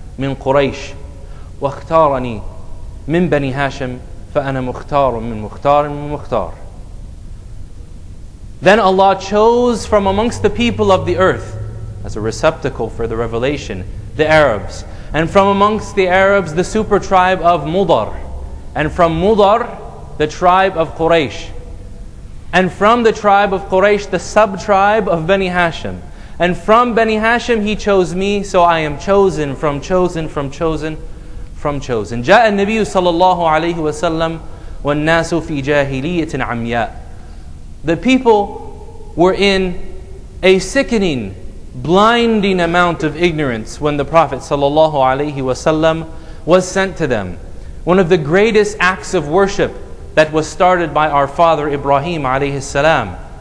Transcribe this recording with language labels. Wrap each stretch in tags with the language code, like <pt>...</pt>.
<ar>من قريش واختارني من بني هاشم فأنا مختار من مختار من مختار.</ar> <en>Then Allah chose from amongst the people of the earth as a receptacle for the revelation, the Arabs. And from amongst the Arabs, the super tribe of Mudar. And from Mudar, the tribe of Quraysh. And from the tribe of Quraysh, the sub-tribe of Bani Hashim. And from Bani Hashim, he chose me, so I am chosen from chosen from chosen from chosen.</en> <ar>جاء النبي صلى الله عليه وسلم والناس في جاهلية عمياء.</ar> <en>The people were in a sickening, blinding amount of ignorance when the Prophet sallallahu alaihi wasallam was sent to them. One of the greatest acts of worship that was started by our father Ibrahim alayhi salam.</en>